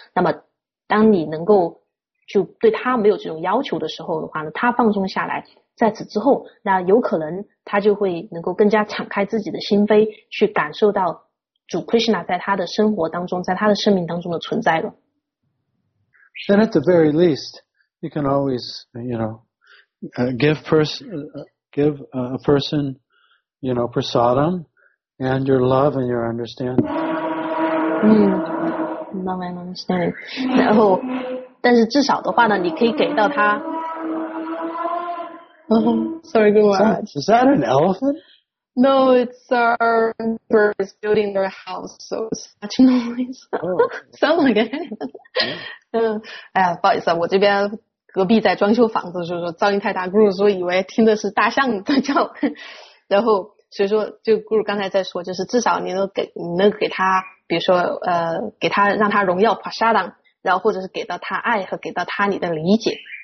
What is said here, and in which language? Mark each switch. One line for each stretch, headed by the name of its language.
Chinese: 那么，当你能够就对他没有这种要求的时候的话呢，他放松下来，在此之后，那有可能他就会能够更加敞开自己的心扉，去感受到主 Krishna 在他的生活当中，在他的生命当中的存在了。
English: Then at the very least, you can always, give a person, prasadam and your love and your understanding. Love and understanding.
Chinese: 然后，但是至少的话呢，你可以给到他。
English: Sorry, good one. Is that an elephant? No, it's our birds building their house, so it's such a noise. Oh. Sound like an elephant.
Chinese: 哎呀，不好意思，我这边隔壁在装修房子，就是说噪音太大 ，Guru 说以为听的是大象在叫，然后所以说就 Guru 刚才在说，就是至少你能给他，比如说给他让他荣耀 Prasadam， 然后或者是给到他爱和给到他你的理解。